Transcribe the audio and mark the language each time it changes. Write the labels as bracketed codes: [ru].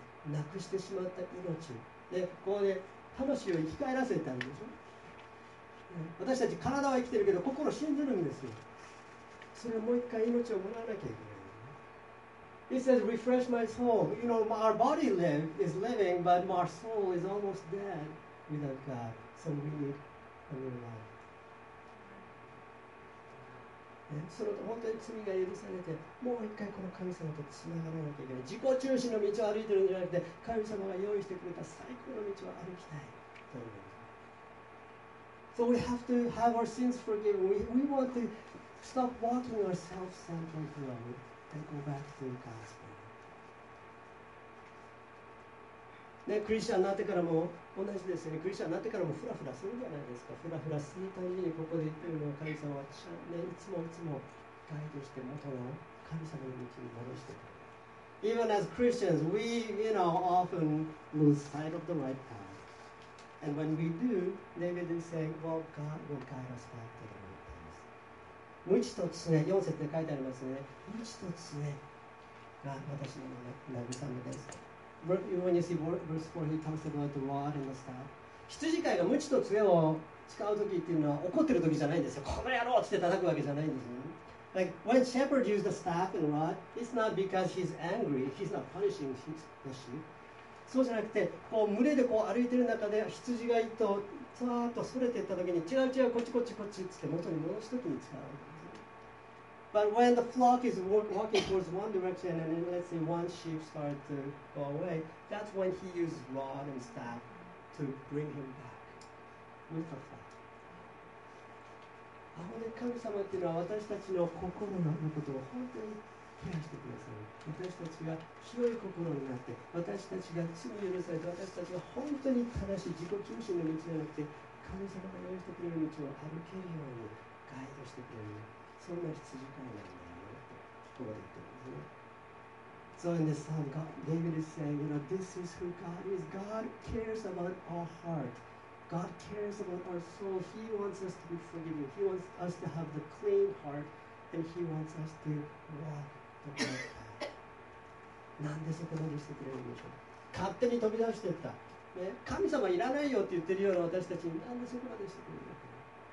[ja] なくしてしまった命、でここで魂を生き返らせたんでしょ。私たち体は生きてるけど心死んでるんですよ。それをもう一回命をもらわなきゃいけない。 [en] He says, refresh my soul. You know, our body is living, but our soul is almost dead without God. So we need a new life. And so, [ja] 本当に罪が許されて、もう一回この神様とつながらなきゃいけない。自己中心の道を歩いてるんじゃなくて、神様が用意してくれた最高の道を歩きたい。 [en] So we have to have our sins forgiven. We want to stop walking our self-centered road. And go back to God's word. [ja] ね、クリスチャンになってからも同じですよね。クリスチャンになってからもフラフラするじゃないですか。フラフラするたびにここで言ってるのは神様はちゃんと、ね、いつもガイドして元の神様の道に戻してくる。 [en] Even as Christians, we, you know, often lose sight of the right path. And when we do, David is saying, well, God will guide us back to the right path. [ja] 無知と常、4節って書いてありますね。無知と常が私の慰めです。 [en] When you see verse 4, he talks about the rod and the staff. [ja] 羊飼いが無知と常を使うときっていうのは怒ってるときじゃないんですよ。この野郎って叩くわけじゃないんですよ。 [en] Like, when shepherd used the staff and rod, it's not because he's angry, he's not punishing the sheep. [ja] そうじゃなくて、こう群れでこう歩いてる中で羊がいると、ツワーッとそれていったときに違う違うこっちこっちこっちって元に戻すときに使う。 [en] But when the flock is walking towards one direction and then, let's say one sheep starts to go away, that's when he uses rod and staff to bring him back with the flock. [ja] あのね、神様っていうのは私たちの心のことを本当にケアしてくださる。私たちが清い心になって、私たちが罪を許されて、私たちが本当に正しい自己中心の道じゃなくて、神様が用意してくれる道を歩けるようにガイドしてくれる。そんな羊飼いなんだよ、とここで言ってますね。 [en] So in this time, David is saying, you know, this is who God is. God cares about our heart. God cares about our soul. He wants us to be forgiven. He wants us to have the clean heart. And He wants us to walk the right path. [ja] なんでそこまでしてくれるんでしょう。勝手に飛び出していった、ね。神様いらないよって言ってるような私たちに、なんでそこまでしてくれるんだろう。